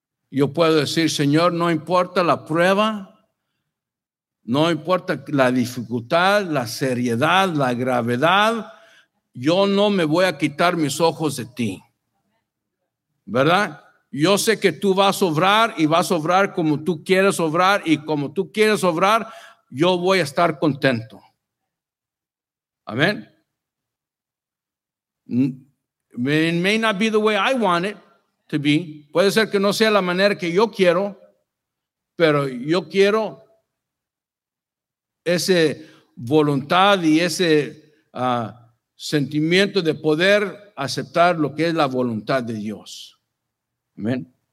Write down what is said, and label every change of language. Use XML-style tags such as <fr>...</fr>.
<es>Yo puedo decir, Señor, no importa la prueba, no importa la dificultad, la seriedad, la gravedad, yo no me voy a quitar mis ojos de ti. ¿Verdad? Yo sé que tú vas a obrar y vas a obrar como tú quieres obrar, y como tú quieres obrar, yo voy a estar contento. Amén.</es> <en>It may not be the way I want it to be.</en> <es>Puede ser que no sea la manera que yo quiero, pero yo quiero esa voluntad y ese sentimiento de poder aceptar lo que es la voluntad de Dios. Amén.</es>